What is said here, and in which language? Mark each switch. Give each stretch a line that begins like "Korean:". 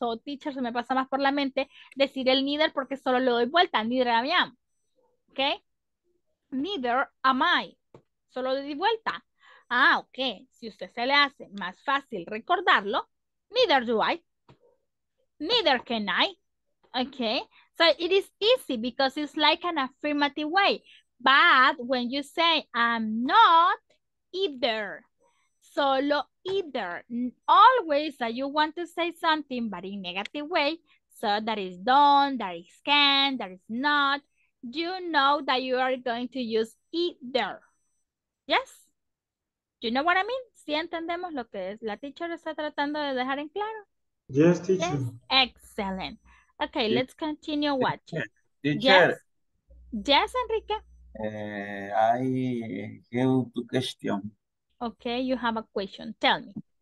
Spanish: O teacher, se me pasa más por la mente decir el neither porque solo lo doy vuelta.
English: Neither am I. ¿Ok? Neither am I.
Spanish: Solo di vuelta.
English: Ok.
Spanish: Si usted se le hace más fácil recordarlo,
English: neither do I. Neither can I. ¿Ok? So it is easy because it's like an affirmative way. But when you say, I'm not either, solo either, always that you want to say something, but in negative way, so that is don't, that is can, that is not, you know that you are going to use either. Yes? Do you know what I mean?
Spanish: ¿Sí entendemos lo que es? ¿La teacher está tratando de dejar en claro?
English: Yes, teacher. Yes? Excellent. Okay, let's continue watching. Teacher. Yes, Enrique. I have a question. Okay, you have a question. Tell me.